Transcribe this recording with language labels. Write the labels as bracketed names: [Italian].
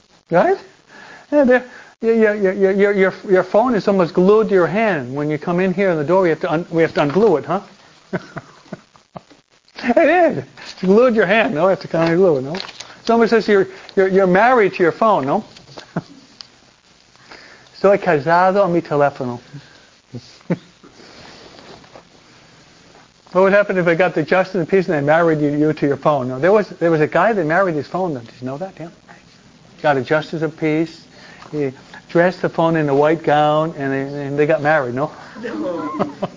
[English] Right? Yeah, your phone is almost glued to your hand. When you come in here in the door, we have to unglue it, huh? It is. It's glued to your hand. No, I have to kind of glue it, no? Somebody says you're married to your phone, no? [Spanish] Soy casado a mi teléfono. [English] What would happen if I got the justice and the peace and they married you to your phone? No, there was a guy that married his phone. Did you know that? Yeah. Got a justice of peace. He dressed the phone in a white gown and they got married, no? No.